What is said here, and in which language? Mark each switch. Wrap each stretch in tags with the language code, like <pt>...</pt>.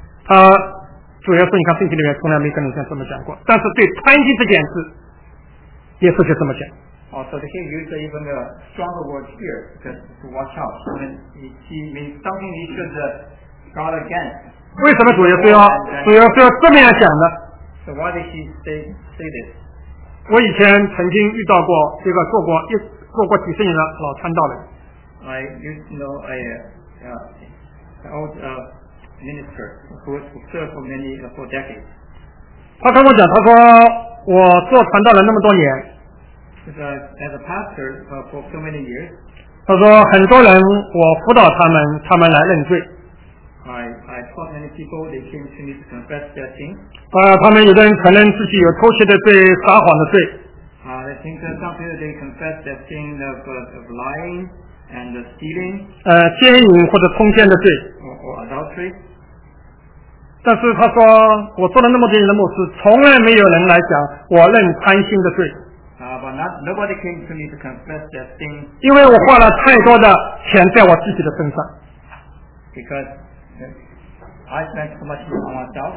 <zh>他主耶稣你看圣经里面从来没跟人这么讲过，但是对贪心这件事耶稣就这么讲。</zh> <en>Also, he used even a stronger word here, because to watch out. So, he means something he should guard against.</en> <zh>为什么主耶稣要这么样讲呢？</zh> <en>So why did he say this?</en> <zh>我以前曾经遇到过这个做过几十年的老传道人。</zh> <en>I used to know an old minister who served for many for decades.</en> <zh>他跟我讲，他说我做传道人那么多年。</zh> <en>As a pastor for so many years,</en> <zh>他说很多人我辅导他们，他们来认罪。</zh> <en>I taught many people, they came to me to confess their sin.</en> <zh>他们有的人可能自己有偷窃的罪、撒谎的罪。</zh> <en>I think that some people they confess their sin of lying and stealing.</en> <zh>奸淫或者通奸的罪。</zh> <en>Or adultery.</en> <zh>但是他说我做了那么多年的牧师，从来没有人来讲我认贪心的罪。</zh> <en>Nobody came to me to confess their sin.</en> <zh>因为我花了太多的钱在我自己的身上。 Because I spent so much on myself.</zh>